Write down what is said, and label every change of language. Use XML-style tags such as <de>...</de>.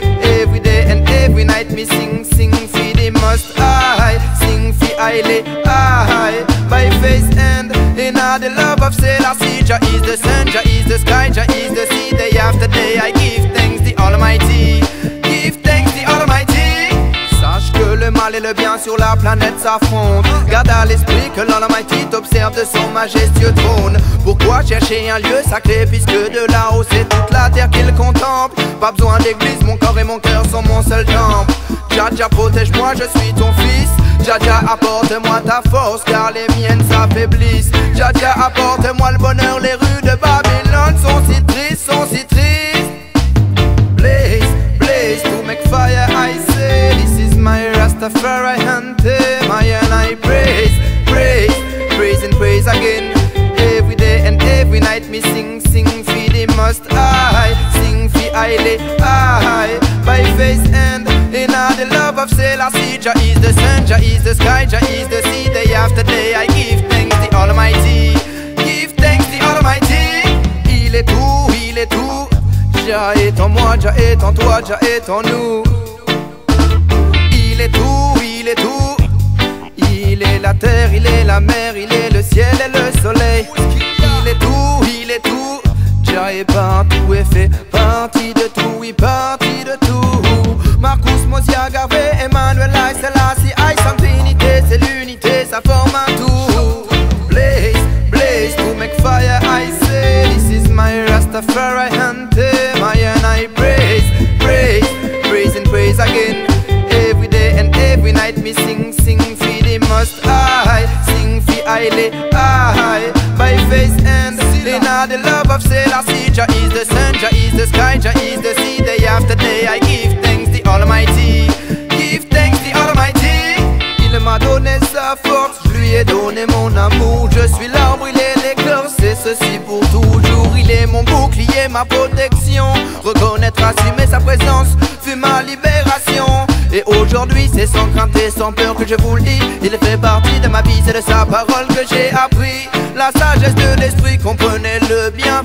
<en>Every day and every night me sing, sing for the Most High, sing for Haile High. By faith and in all the love of Selassie, Jah is the sun, Jah is the sky, Jah is the sea. Day after day I give thanks the Almighty, give thanks the Almighty.</en> <fr>Sache que le mal et le bien sur la planète s'affrontent. Garde à l'esprit que l'Almighty t'observe de son majestueux trône. Pourquoi chercher un lieu sacré puisque de là-haut c'est toute la terre qu'il contemple. Pas besoin d'église, mon corps et mon cœur sont mon seul temple. Jah Jah protège-moi, je suis ton fils. Jah Jah apporte-moi ta force car les miennes s'affaiblissent. Jah Jah apporte-moi le bonheur, les rues de Babylone sont si tristes, sont si tristes.</fr> <en>Blaze, blaze to make fire I say. This is my Rastafari anthem, I and I praise, praise, praise and praise again. Every day and every night me sing, sing for the Most High, sing for Haile High. By faith and in all the love of Selassie, Jah is the sun, Jah is the sky, Jah is the sea. Day after day I give thanks the Almighty, give thanks the Almighty.</en> <fr>Il est tout, il est tout. Jah est en moi, Jah est en toi, Jah est en nous. Il est tout, il est tout. Il est la terre, il est la mer, il est le ciel et le soleil. Il est tout, il est tout. Jah est partout et fait partie de tout, oui, partie de tout. Marcus, Mosiah, Garvey, Emmanuel, I, Selassie, I, Sainte Trinité, c'est l'unité, ça forme un tout.</fr> <en>Blaze, blaze to make fire, I say. This is my Rastafari anthem, I and I praise, praise, praise and praise again. Every day and every night me sing, sing for the Most High, sing for Haile High. By faith and in all the love of Selassie, Jah is the sun, Jah is the sky, Jah is the sea. Day after day I give thanks the Almighty, give thanks the Almighty.</en> <fr>Il m'a donné sa force, lui ai donné mon amour. Je suis l'arbre, il est l'écorce, c'est ceci pour toujours. Il est mon bouclier, ma protection. Reconnaître, assumer sa présence fut ma libération. Et aujourd'hui c'est sans crainte et sans peur que je vous le dis. Il fait partie de ma vie, c'est de sa parole que j'ai appris la sagesse de l'esprit, comprenez le bien.</fr>